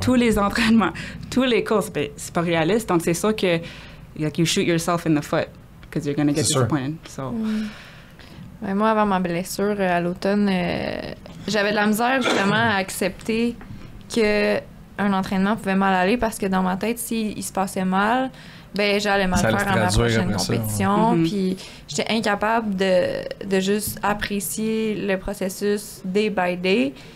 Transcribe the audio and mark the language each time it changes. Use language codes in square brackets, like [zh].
[fr] Tous les entraînements, tous les courses, mais ce n'est pas réaliste. Donc, c'est sûr que [en] like, you shoot yourself in the foot because you're going to get disappointed. So. Mm. [fr] Moi, avant ma blessure à l'automne, j'avais de la misère justement à accepter qu'un entraînement pouvait mal aller parce que dans ma tête, s'il se passait mal, ben j'allais mal ça faire en ma prochaine compétition. Ça, ouais. Puis j'étais incapable de juste apprécier le processus [en] day by day.